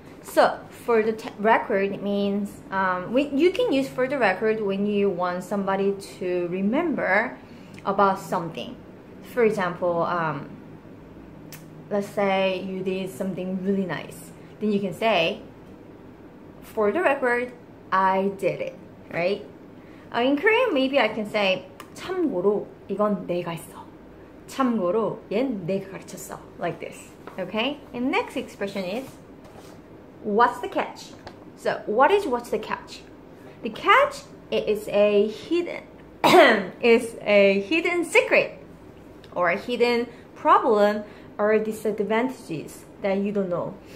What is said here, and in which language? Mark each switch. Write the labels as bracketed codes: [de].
[en] So, for the record means, you can use for the record when you want somebody to remember about something. For example, let's say you did something really nice. Then you can say, for the record, I did it, right? In Korean, maybe I can say, [ko] 참고로 이건 내가 했어. 참고로 얜 내가 가르쳤어. [en] Like this. Okay, and next expression is what's the catch? So what is what's the catch? The catch is a hidden is a hidden secret or a hidden problem or disadvantages that you don't know.